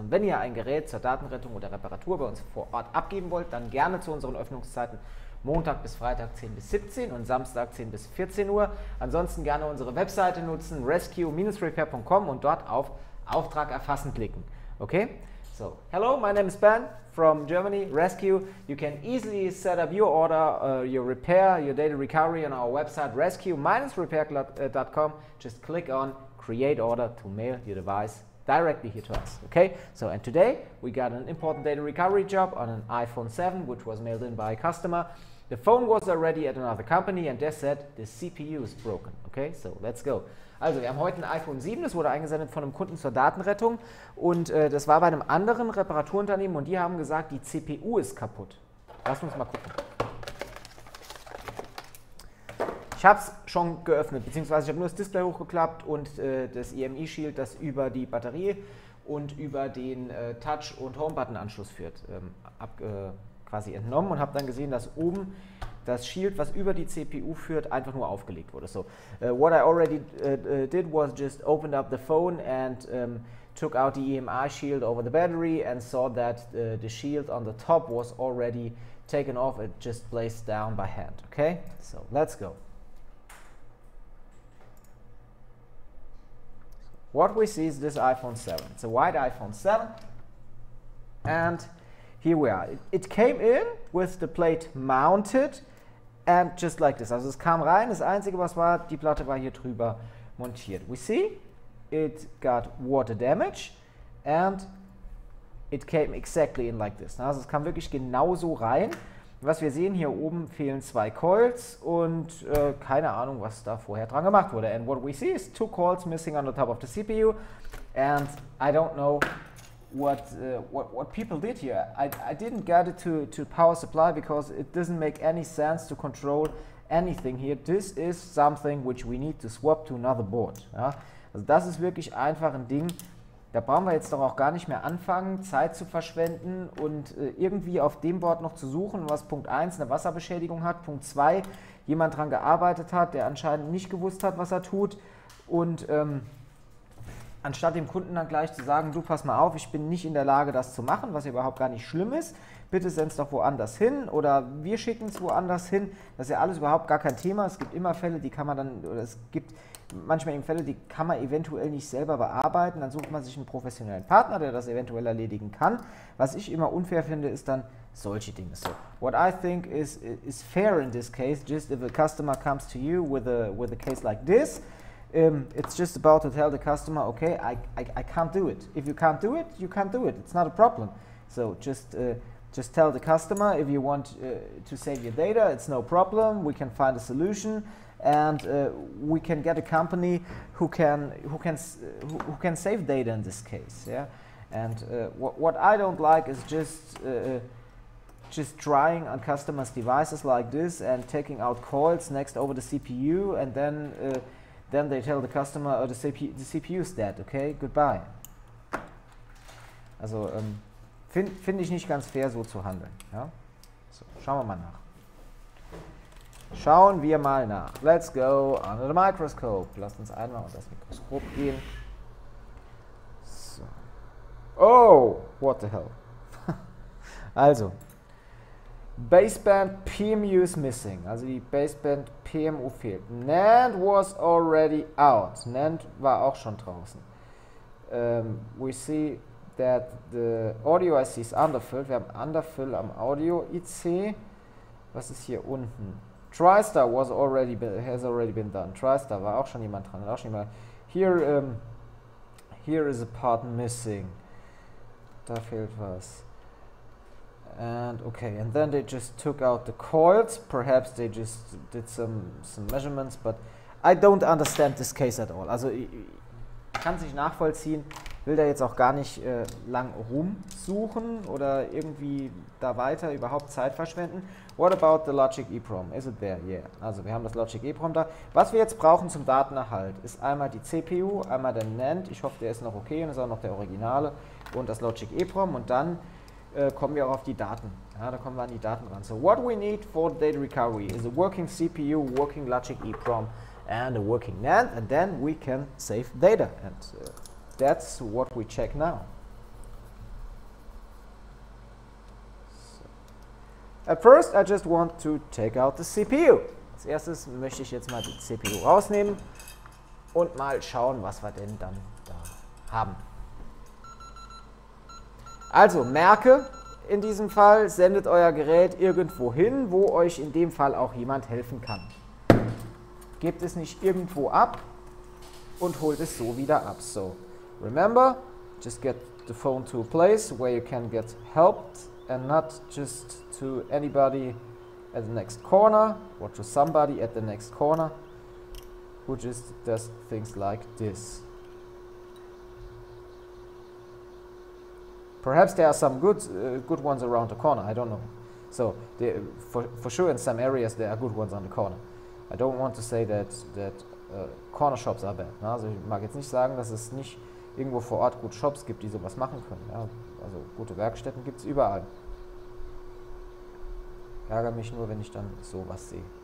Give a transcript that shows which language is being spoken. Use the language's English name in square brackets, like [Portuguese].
[German] Und wenn ihr ein Gerät zur Datenrettung oder Reparatur bei uns vor Ort abgeben wollt, dann gerne zu unseren Öffnungszeiten Montag bis Freitag 10 bis 17 und Samstag 10 bis 14 Uhr. Ansonsten gerne unsere Webseite nutzen, rescue-repair.com, und dort auf Auftrag erfassen klicken. [English] Okay? So, hello, my name is Ben from Germany, Rescue. You can easily set up your order, your repair, your data recovery on our website, rescue-repair.com. Just click on create order to mail your device directly here to us, okay? So, and today we got an important data recovery job on an iPhone 7, which was mailed in by a customer. The phone was already at another company and they said the CPU is broken. Okay, so let's go. [German] Also, wir haben heute ein iPhone 7, das wurde eingesendet von einem Kunden zur Datenrettung. Und das war bei einem anderen Reparaturunternehmen und die haben gesagt, die CPU ist kaputt. Lass uns mal gucken. Ich habe es schon geöffnet, beziehungsweise ich habe nur das Display hochgeklappt und das EMI-Shield, das über die Batterie und über den Touch- und Home-Button-Anschluss führt, quasi entnommen und habe dann gesehen, dass oben das Shield, was über die CPU führt, einfach nur aufgelegt wurde. [English] So, what I already did was just opened up the phone and took out the EMI shield over the battery and saw that the shield on the top was already taken off. It just placed down by hand. Okay, so let's go. What we see is this iPhone 7. It's a white iPhone 7. And here we are. It came in with the plate mounted and just like this. [German] Also es kam rein, das Einzige, was war, die Platte war hier drüber montiert. [English] We see, it got water damage and it came exactly in like this. [German] Also es kam wirklich genauso rein. Was wir sehen, hier oben fehlen zwei Coils und keine Ahnung, was da vorher dran gemacht wurde. [English] And what we see is two coils missing on the top of the CPU and I don't know what people did here. I didn't get it to power supply because it doesn't make any sense to control anything here. This is something which we need to swap to another board. [German] Ja? Also das ist wirklich einfach ein Ding. Da brauchen wir jetzt doch auch gar nicht mehr anfangen, Zeit zu verschwenden und irgendwie auf dem Board noch zu suchen, was Punkt 1 eine Wasserbeschädigung hat, Punkt 2 jemand dran gearbeitet hat, der anscheinend nicht gewusst hat, was er tut. Und anstatt dem Kunden dann gleich zu sagen, du pass mal auf, ich bin nicht in der Lage, das zu machen, was überhaupt gar nicht schlimm ist, bitte send es doch woanders hin oder wir schicken es woanders hin. Das ist ja alles überhaupt gar kein Thema. Es gibt immer Fälle, die kann man dann, oder es gibt manchmal eben Fälle, die kann man eventuell nicht selber bearbeiten. Dann sucht man sich einen professionellen Partner, der das eventuell erledigen kann. Was ich immer unfair finde, ist dann solche Dinge. [English] So, what I think is fair in this case, just if a customer comes to you with a case like this, it's just about to tell the customer, okay, I can't do it. If you can't do it, you can't do it. It's not a problem. So just tell the customer if you want to save your data, it's no problem. We can find a solution, and we can get a company who can save data in this case. Yeah. And what I don't like is just trying on customers' devices like this and taking out coils next over the CPU, and then. Then they tell the customer, oh, the CPU is dead, okay, goodbye. [German] Also find ich nicht ganz fair, so zu handeln. Ja? So, schauen wir mal nach. Schauen wir mal nach. [English] Let's go under the microscope. [German] Lasst uns einmal unter das Mikroskop gehen. So. [English] Oh, what the hell. Also, Baseband PMU is missing. [German] Also die Baseband PMU fehlt. [English] NAND was already out. [German] NAND war auch schon draußen. [English] We see that the audio IC is underfilled. [German] Wir haben underfill am Audio IC. Was ist hier unten? [English] TriStar was already has already been done. [German] TriStar war auch schon jemand dran. War auch schon jemand. [English] Here is a part missing. [German] Da fehlt was. [English] And okay, and then they just took out the coils. Perhaps they just did some measurements, but I don't understand this case at all. [German] Also ich kann es nicht nachvollziehen, will da jetzt auch gar nicht lang rumsuchen oder irgendwie da weiter überhaupt Zeit verschwenden. [English] What about the Logic EEPROM? Is it there? Yeah. [German] Also wir haben das Logic EEPROM da. Was wir jetzt brauchen zum Datenerhalt ist einmal die CPU, einmal der NAND. Ich hoffe, der ist noch okay und ist auch noch der Originale. Und das Logic EEPROM und dann kommen wir auch auf die Daten. Ja, da kommen wir an die Daten ran. [English] So, what we need for data recovery is a working CPU, working logic EEPROM and a working NAND, and then we can save data. And that's what we check now. So. At first, I just want to take out the CPU. [German] Als erstes möchte ich jetzt mal die CPU rausnehmen und mal schauen, was wir denn dann da haben. Also, merke, in diesem Fall sendet euer Gerät irgendwo hin, wo euch in dem Fall auch jemand helfen kann. Gebt es nicht irgendwo ab und holt es so wieder ab. [English] So, remember, just get the phone to a place where you can get helped and not just to anybody at the next corner or to somebody at the next corner who just does things like this. Perhaps there are some good ones around the corner, I don't know. So, for sure in some areas there are good ones on the corner. I don't want to say that corner shops are bad. Ne? [German] Also ich mag jetzt nicht sagen, dass es nicht irgendwo vor Ort gute Shops gibt, die sowas machen können. Ja? Also gute Werkstätten gibt es überall. Ich ärgere mich nur, wenn ich dann sowas sehe.